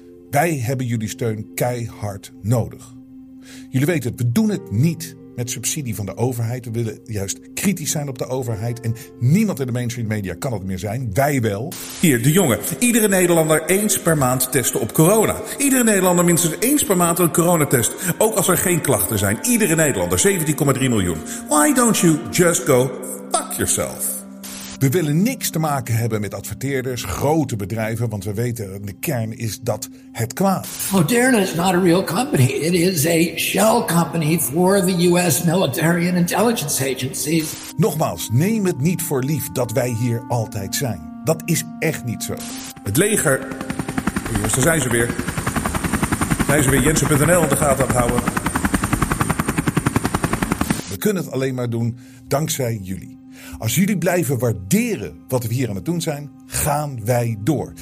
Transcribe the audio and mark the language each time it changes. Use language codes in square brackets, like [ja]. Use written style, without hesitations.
[nl] Wij hebben jullie steun keihard nodig. Jullie weten het, we doen het niet met subsidie van de overheid. We willen juist kritisch zijn op de overheid. En niemand in de mainstream media kan het meer zijn. Wij wel. Hier, de jongen. Iedere Nederlander eens per maand testen op corona. Iedere Nederlander minstens eens per maand een coronatest. Ook als er geen klachten zijn. Iedere Nederlander, 17,3 miljoen. [en] Why don't you just go fuck yourself? [nl] We willen niks te maken hebben met adverteerders, grote bedrijven, want we weten, de kern is dat het kwaad. [en] Moderna is not a real company. It is a shell company for the US military and intelligence agencies. [nl] Nogmaals, neem het niet voor lief dat wij hier altijd zijn. Dat is echt niet zo. Het leger. Jongens, daar zijn ze weer. Zijn ze weer Jensen.nl in de gaten aan het houden. We kunnen het alleen maar doen dankzij jullie. Als jullie blijven waarderen wat we hier aan het doen zijn, gaan wij door.